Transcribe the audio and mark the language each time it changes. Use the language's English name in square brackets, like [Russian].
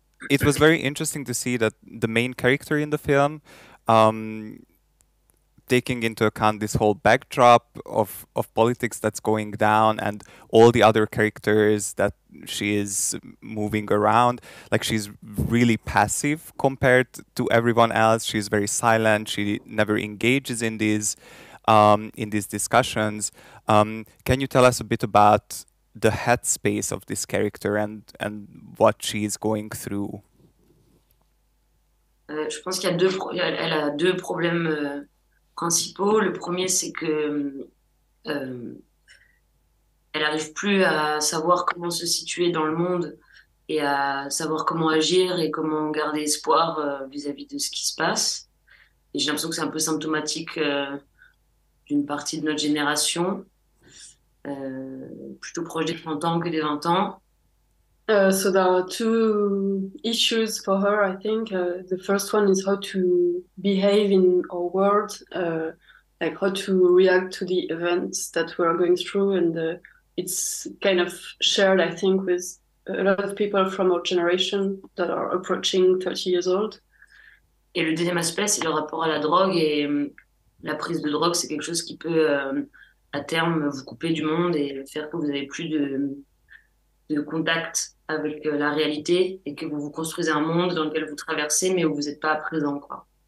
[English] It was very interesting to see that the main character in the film, taking into account this whole backdrop of politics that's going down and all the other characters that she is moving around, like she's really passive compared to everyone else. She's very silent. She never engages in these discussions. Can you tell us a bit about the headspace of this character and what she is going through? [French] Je pense qu'il y a deux elle a deux problèmes principaux. Le premier, c'est que elle arrive plus à savoir comment se situer dans le monde et à savoir comment agir et comment garder espoir vis-à-vis de ce qui se passe. Et j'ai l'impression que c'est un peu symptomatique d'une partie de notre génération. Plutôt proche des 30 ans que des 20 ans. [English] So there are two issues for her, I think. The first one is how to behave in our world, like how to react to the events that we are going through. And it's kind of shared, I think, with a lot of people from our generation that are approaching 30 years old. [French] Et le deuxième aspect, c'est le rapport à la drogue. Et la prise de drogue, c'est quelque chose qui peut... à terme, vous couper du monde et faire que vous n'avez plus de contact avec la réalité et que vous vous construisez un monde dans lequel vous traversez, mais où vous n'êtes pas présent, quoi.